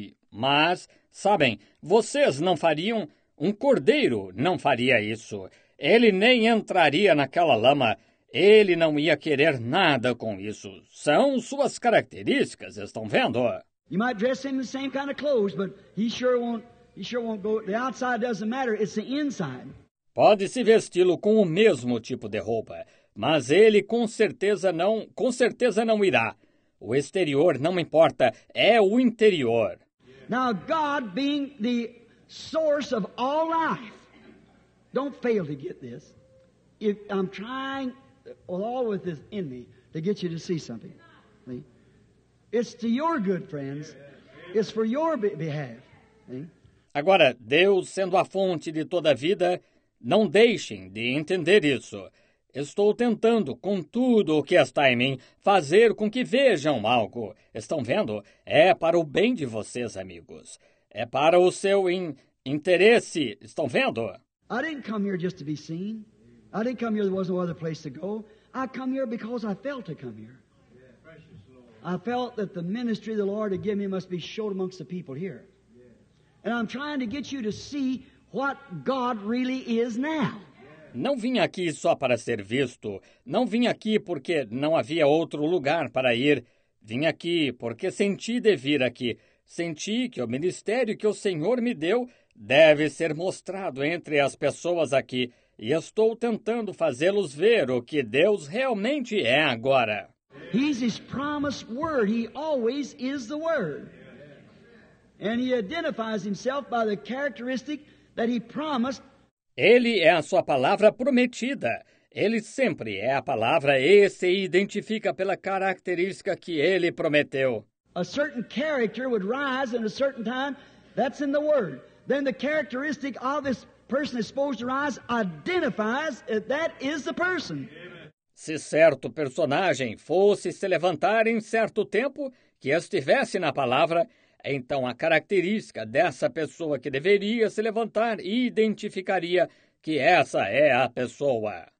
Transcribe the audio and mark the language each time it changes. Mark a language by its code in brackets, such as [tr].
[pt] Mas, sabem, vocês não fariam, um cordeiro não faria isso. Ele nem entraria naquela lama. Ele não ia querer nada com isso. São suas características, estão vendo? [en] You might dress him in the same kind of clothes, but he sure won't go, the outside doesn't matter, it's the inside. [pt] Pode-se vesti-lo com o mesmo tipo de roupa. Mas ele com certeza não irá. O exterior não importa, é o interior. [en] Now God being the source of all life. Don't fail to get this. If I'm trying all with this in me to get you to see something. See? It's to your good friends. It's for your behalf. See? [pt] Agora, Deus sendo a fonte de toda a vida, não deixem de entender isso. Estou tentando, com tudo o que está em mim, fazer com que vejam algo. Estão vendo? É para o bem de vocês, amigos. É para o seu interesse. Estão vendo? [en] I didn't come here just to be seen. I didn't come here, there was no other place to go. I come here because I felt to come here. I felt that the ministry the Lord had given me must be showed amongst the people here. And I'm trying to get you to see what God really is now. [pt] Não vim aqui só para ser visto. Não vim aqui porque não havia outro lugar para ir. Vim aqui porque senti de vir aqui. Senti que o ministério que o Senhor me deu deve ser mostrado entre as pessoas aqui. E estou tentando fazê-los ver o que Deus realmente é agora. [en] He's his promised word. He always is the word. And he identifies himself by the characteristic that he promised. [pt] Ele é a sua palavra prometida. Ele sempre é a palavra e se identifica pela característica que ele prometeu. [en] A certain character would rise in a certain time. That's in the word. Then the characteristic of this person is supposed to rise identifies that is the person. [pt] Se certo personagem fosse se levantar em certo tempo que estivesse na palavra, então, a característica dessa pessoa que deveria se levantar identificaria que essa é a pessoa.